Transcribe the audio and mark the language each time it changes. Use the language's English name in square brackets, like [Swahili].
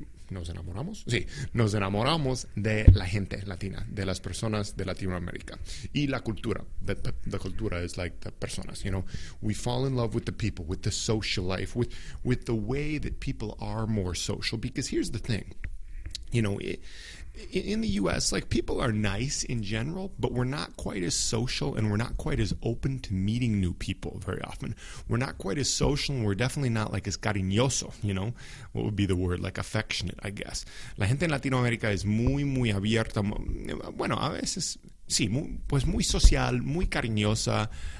[Spanish] Nos enamoramos de la gente latina, de las personas de Latinoamérica. Y la cultura. [English] The cultura is like the personas, you know. We fall in love with the people, with the social life, with the way that people are more social. Because here's the thing, you know, in the U.S., like, people are nice in general, but we're not quite as social and we're not quite as open to meeting new people very often. We're not quite as social and we're definitely not, like, as cariñoso, you know? What would be the word? Like, affectionate, I guess. [Spanish] La gente en Latinoamérica es muy, muy abierta. Bueno, a veces, sí, muy social, muy cariñosa.